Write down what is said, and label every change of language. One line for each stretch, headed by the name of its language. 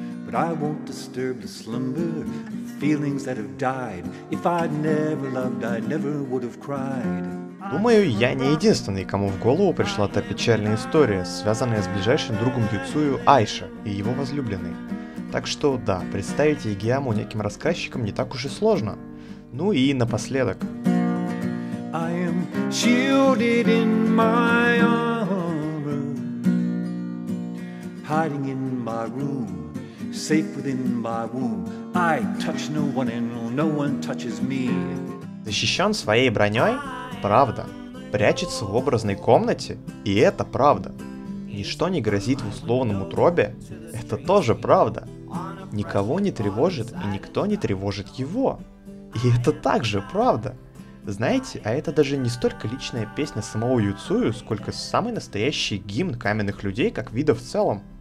English: But I won't disturb the slumber of feelings that have died. If I'd never loved, I never would have cried.
Russian: Думаю, я не единственный, кому в голову пришла та печальная история, связанная с ближайшим другом Юцую Айша и его возлюбленной. Так что да, представить Ягияму неким рассказчиком не так уж и сложно. Ну и напоследок.
English: I am shielded in my armor, hiding in my room, safe within my womb. I touch no one and no one touches me.
Russian: Защищен своей броней? Правда. Прячется в образной комнате? И это правда. Ничто не грозит в условном утробе? Это тоже правда. Никого не тревожит, и никто не тревожит его. И это также правда. Знаете, а это даже не столько личная песня самого Юцую, сколько самый настоящий гимн каменных людей как вида в целом.